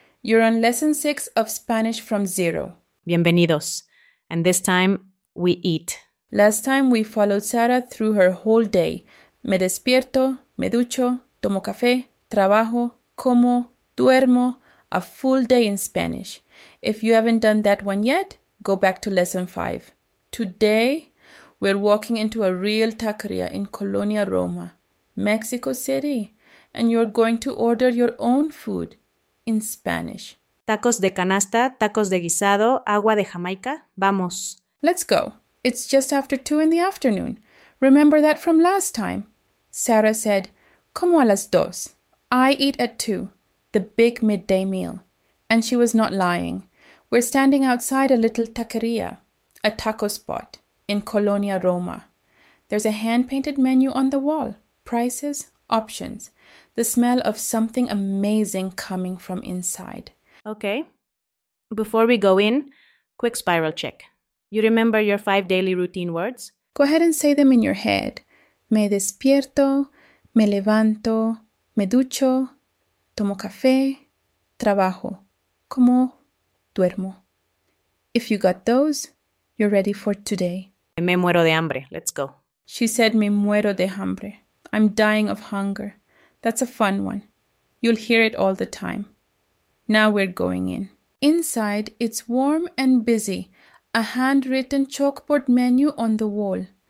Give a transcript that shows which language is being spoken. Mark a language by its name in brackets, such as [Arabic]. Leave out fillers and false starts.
[English] You're on lesson 6 of Spanish from Zero. [Spanish] Bienvenidos. [English] And this time, we eat. Last time, we followed Sara through her whole day. [Spanish] Me despierto, me ducho, tomo café, trabajo, como, duermo, [English] a full day in Spanish. If you haven't done that one yet, go back to lesson 5. Today, we're walking into a real taqueria in Colonia Roma, Mexico City. And you're going to order your own food in Spanish. [Spanish] Tacos de canasta, tacos de guisado, agua de Jamaica. Vamos. [English] Let's go. It's just after 2 in the afternoon. Remember that from last time? Sara said, [Spanish] como a las 2. [English] I eat at 2, the big midday meal. And she was not lying. We're standing outside a little taqueria, a taco spot, in Colonia Roma. There's a hand-painted menu on the wall. Prices, options. The smell of something amazing coming from inside. Okay. Before we go in, quick spiral check. You remember your 5 daily routine words? Go ahead and say them in your head. [Spanish] Me despierto, me levanto, me ducho, tomo café, trabajo, como duermo. [English] If you got those, you're ready for today. [Spanish] Me muero de hambre. [English] Let's go. She said [Spanish] me muero de hambre. [English] I'm dying of hunger. That's a fun one. You'll hear it all the time. Now we're going in. Inside, it's warm and busy. A handwritten chalkboard menu on the wall.